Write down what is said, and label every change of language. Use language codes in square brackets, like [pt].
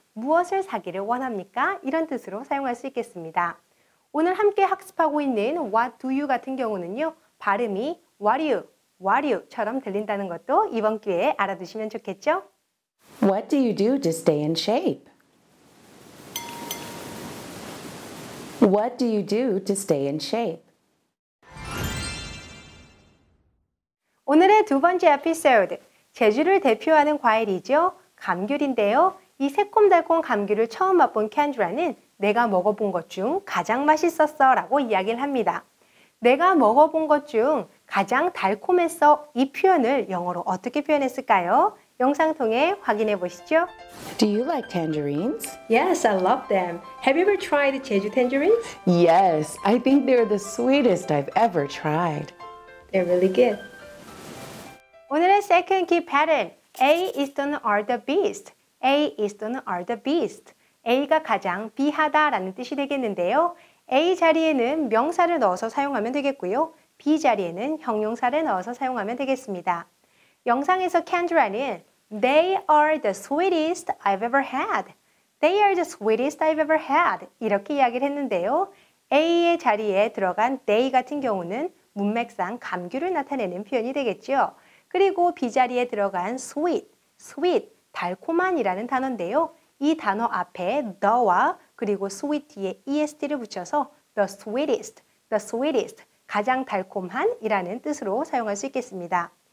[ko] 무엇을 사기를 원합니까? 이런 뜻으로 사용할 수 있겠습니다. 오늘 함께 학습하고 있는 [en] what do you [ko] 같은 경우는요. 발음이 [en] what you [ko] 처럼 들린다는 것도 이번 기회에 알아두시면 좋겠죠? [en] What do you do to stay in shape? What do you do to stay in shape? [ko] 오늘의 두 번째 에피소드, 제주를 대표하는 과일이죠. 감귤인데요. 이 새콤달콤 감귤을 처음 맛본 켄드라는 내가 먹어본 것 중 가장 맛있었어 라고 이야기를 합니다. 내가 먹어본 것 중 가장 달콤했어 이 표현을 영어로 어떻게 표현했을까요? 영상 통해 확인해 보시죠. [en] Do you like tangerines? Yes, I love them. Have you ever tried Jeju tangerines? Yes, I think they're the sweetest I've ever tried. They're really good. [ko] 오늘의 [en] second key pattern, A is the are the beast. A is the are the beast. [ko] A가 가장 비하다 라는 뜻이 되겠는데요. A 자리에는 명사를 넣어서 사용하면 되겠고요. B 자리에는 형용사를 넣어서 사용하면 되겠습니다. 영상에서 [en] Kendra는 They are the sweetest I've ever had. They are the sweetest I've ever had. [ko] 이렇게 이야기를 했는데요. A의 자리에 들어간 they 같은 경우는 문맥상 감귤을 나타내는 표현이 되겠죠. 그리고 B자리에 들어간 sweet, 달콤한이라는 단어인데요. 이 단어 앞에 the와 그리고 sweet 뒤에 est를 붙여서 [en] the sweetest, [ko] 가장 달콤한이라는 뜻으로 사용할 수 있겠습니다.